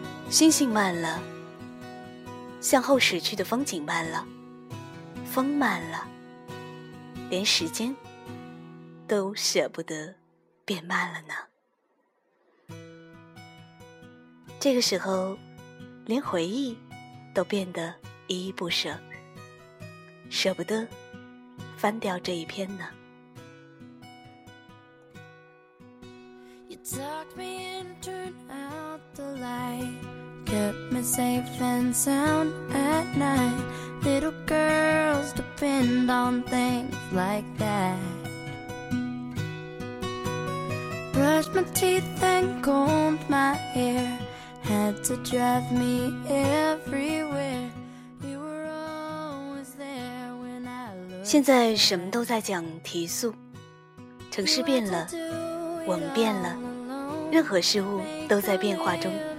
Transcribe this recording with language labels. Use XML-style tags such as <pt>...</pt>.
<zh>星星慢了，向后驶去的风景慢了，风慢了，连时间都舍不得变慢了呢。这个时候连回忆都变得依依不舍，舍不得翻掉这一篇呢。</zh> <en>You tucked me in, turned out the light, kept me safe and sound at night. Little girls depend on things like that. Brushed my teeth and combed my hair. Had to drive me everywhere. You were always there when I looked.</en> <zh>现在什么都在讲提速，城市变了，我们变了，任何事物都在变化中。</zh>